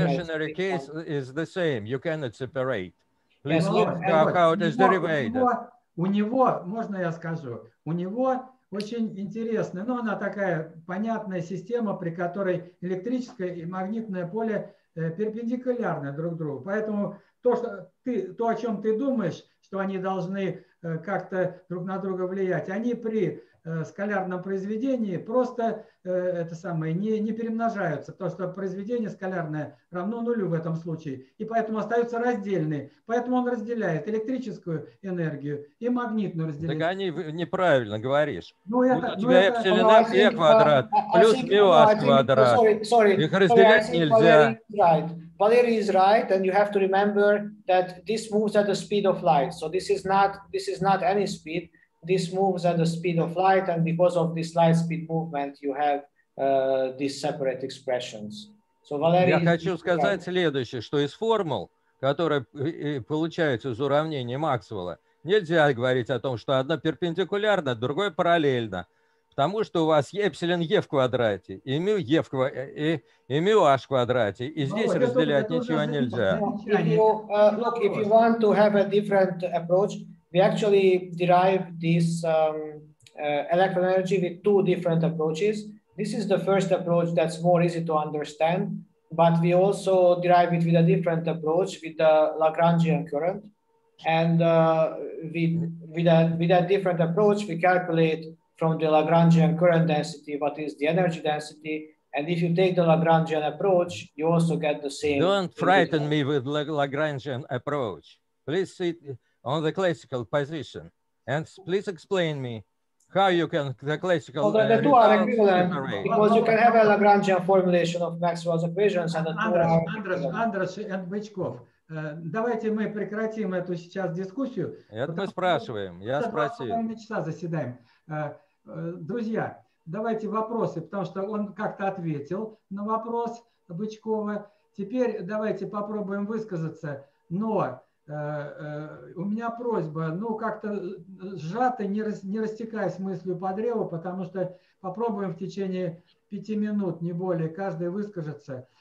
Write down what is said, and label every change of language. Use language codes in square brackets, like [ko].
[en] The stationary case is the same. You cannot separate. Please look how it is derived. [ru] У него, можно я скажу, у него очень интересная, но она такая понятная система, при которой электрическое и магнитное поле перпендикулярны друг другу. Поэтому то, о чем ты думаешь, что они должны как-то друг на друга влиять, они при скалярном произведении просто это самое не перемножаются, потому что произведение скалярное равно нулю в этом случае, и поэтому остаются раздельные. Поэтому он разделяет электрическую энергию и магнитную разделяет. Так они неправильно говоришь. Ну, у тебя вселенная E квадрат плюс миас квадрат. Их разделять нельзя. [en] Valery is right, and you have to remember that this moves at the speed of light. So this is not any speed. This moves at the speed of light, and because of this light speed movement, you have these separate expressions. So Valery. [ru] Я хочу сказать следующее, что из формул, которые получаются из уравнений Максвелла, нельзя говорить о том, что одно перпендикулярно, другое параллельно. Потому что у вас эпсилон е в квадрате, и мю е в квадрате, и мю аш в квадрате, и здесь разделять ничего нельзя. [en] Look, if you want to have a different approach, we actually derive this electron energy with two different approaches. This is the first approach that's more easy to understand, but we also derive it with a different approach with the Lagrangian current, and with a different approach we calculate from the Lagrangian current density, what is the energy density? And if you take the Lagrangian approach, you also get the same. Don't frighten me with Lagrangian approach. Please sit on the classical position. And please explain me how you can the classical. Although the two are equivalent, because you can have a Lagrangian formulation of Maxwell's equations and Andras and Bychkov. [ru] Давайте мы прекратим эту сейчас дискуссию. Это мы спрашиваем. Я спросил. Мы 2 часа заседаем. Друзья, давайте вопросы, потому что он как-то ответил на вопрос Бычкова. Теперь давайте попробуем высказаться. Но у меня просьба, ну как-то сжато, не растекаясь мыслью по древу, потому что попробуем в течение 5 минут, не более, каждый выскажется.